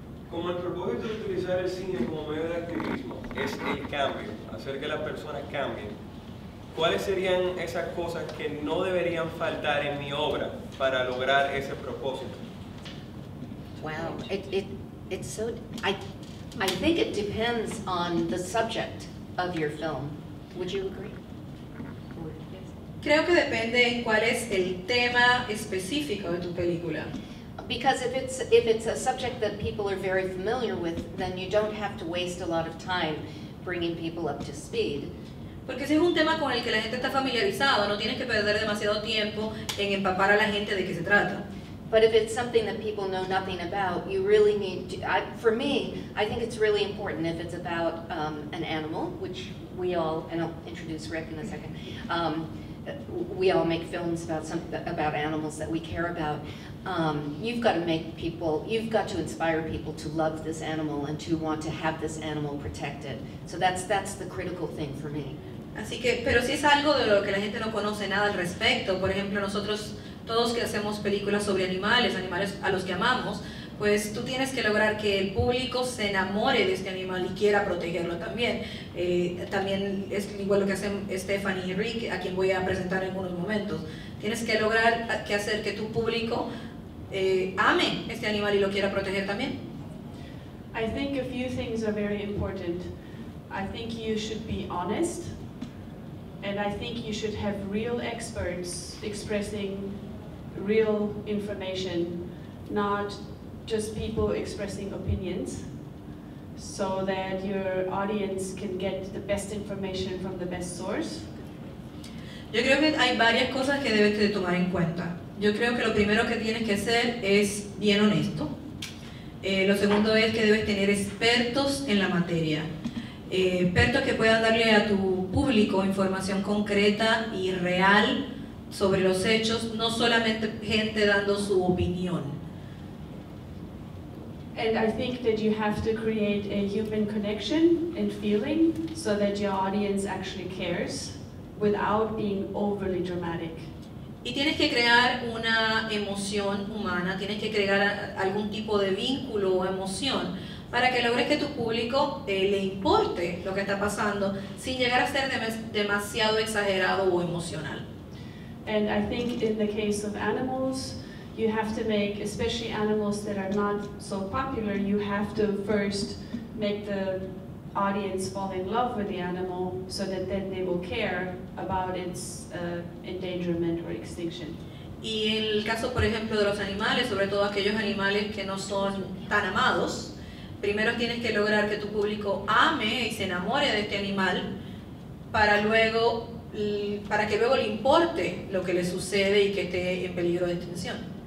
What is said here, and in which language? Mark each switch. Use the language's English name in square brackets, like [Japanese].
[Spanish] Como el propósito de utilizar el cine como medio de activismo es el cambio, hacer que las personas cambien, ¿cuáles serían esas cosas que no deberían faltar en mi obra para lograr ese propósito? [English] Wow, it's so, I think it depends on the subject of your film. Would you agree? [Spanish] Creo que depende en cuál es el tema específico de tu película. [English] Because if it's a subject that people are very familiar with, then you don't have to waste a lot of time bringing people up to speed. [Spanish] Porque si es un tema con el que la gente está familiarizado, no tienes que perder demasiado tiempo en empapar a la gente de qué se trata. [English] But if it's something that people know nothing about, you really need to, for me, I think it's really important if it's about an animal, which we all, and I'll introduce Rick in a second, we all make films about about animals that we care about. You've got to make people, you've got to inspire people to love this animal and to want to have this animal protected. So that's the critical thing for me. [Spanish] Así que, pero si es algo de lo que la gente no conoce nada al respecto, por ejemplo, nosotros todos que hacemos películas sobre animales, animales a los que amamos, pues tú tienes que lograr que el público se enamore de este animal y quiera protegerlo también. También es igual lo que hacen Stephanie y Rick, a quien voy a presentar en unos momentos. Tienes que lograr que hacer que tu público ame este animal y lo quiera proteger también. [English] I think a few things are very important. I think you should be honest, and I think you should have real experts expressing real information, not just people expressing opinions, so that your audience can get the best information from the best source. [Spanish] Yo creo que hay varias cosas que debes de tomar en cuenta. Yo creo que lo primero que tienes que hacer es bien honesto. Lo segundo es que debes tener expertos en la materia. Expertos que puedan darle a tu público información concreta y real sobre los hechos, no solamente gente dando su opinión. [English] And I think that you have to create a human connection and feeling so that your audience actually cares without being overly dramatic. [Spanish] Y tienes que crear una emoción humana, tienes que crear algún tipo de vínculo o emoción para que logres que tu público le importe lo que está pasando sin llegar a ser demasiado exagerado o emocional. [English] And I think in the case of animals, you have to make, especially animals that are not so popular, you have to first make the audience fall in love with the animal so that then they will care about its endangerment or extinction. [Spanish] Y en el caso, por ejemplo, de los animales, sobre todo aquellos animales que no son tan amados, primero tienes que lograr que tu público ame y se enamore de este animal para que luego le importe lo que le sucede y que esté en peligro de extinción.